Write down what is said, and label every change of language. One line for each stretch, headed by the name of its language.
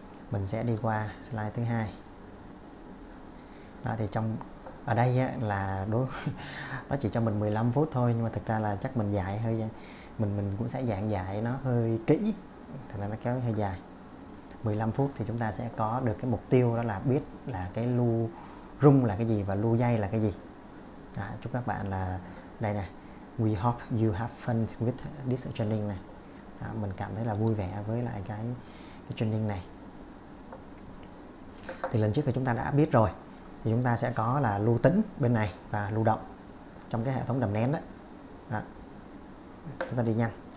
Vietnamese: Mình sẽ đi qua slide thứ hai. Đó thì trong ở đây á là đối nó chỉ cho mình 15 phút thôi, nhưng mà thực ra là chắc mình dạy hơi mình cũng sẽ giảng dạy nó hơi kỹ, thành ra nó kéo hơi dài. 15 phút thì chúng ta sẽ có được cái mục tiêu đó là biết là cái loop rung là cái gì và loop dây là cái gì. Đó, chúc các bạn là đây nè.
English: We hope you have fun with this training này.
Vietnamese: Đó, mình cảm thấy là vui vẻ với lại cái training này. Thì lần trước thì chúng ta đã biết rồi. Thì chúng ta sẽ có là loop tĩnh bên này và loop động trong cái hệ thống đầm nén đó. Đó. Chúng ta đi nhanh.